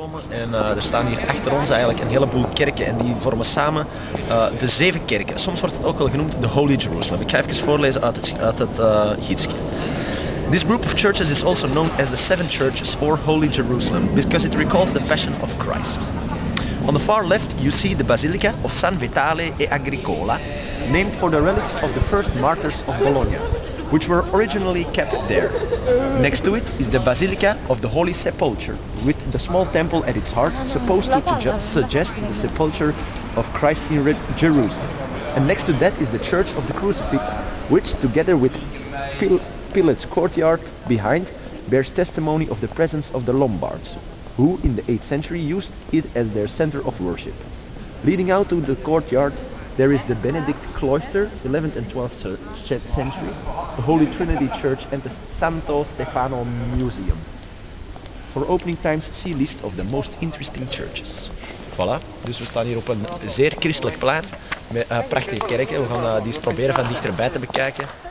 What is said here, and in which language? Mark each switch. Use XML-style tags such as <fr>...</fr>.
<nl>En er staan hier achter ons eigenlijk een heleboel kerken en die vormen samen de zeven kerken. Soms wordt het ook wel genoemd de Holy Jerusalem. Ik ga even voorlezen uit het Gietske.</nl> <en>This group of churches is also known as the seven churches or Holy Jerusalem because it recalls the passion of Christ. On the far left you see the Basilica of San Vitale e Agricola, named for the relics of the first martyrs of Bologna, which were originally kept there. Next to it is the Basilica of the Holy Sepulchre, with the small temple at its heart, supposed to suggest the sepulchre of Christ in Jerusalem. And next to that is the Church of the Crucifix, which, together with Pilate's courtyard behind, bears testimony of the presence of the Lombards, who in the 8th century used it as their center of worship. Leading out to the courtyard, there is the Benedict Cloister, 11th and 12th century, the Holy Trinity Church, and the Santo Stefano Museum. For opening times, see list of the most interesting churches.</en> <nl>Voilà, dus we staan hier op een zeer christelijk plein, met prachtige kerken. We gaan die eens proberen van dichterbij te bekijken.</nl>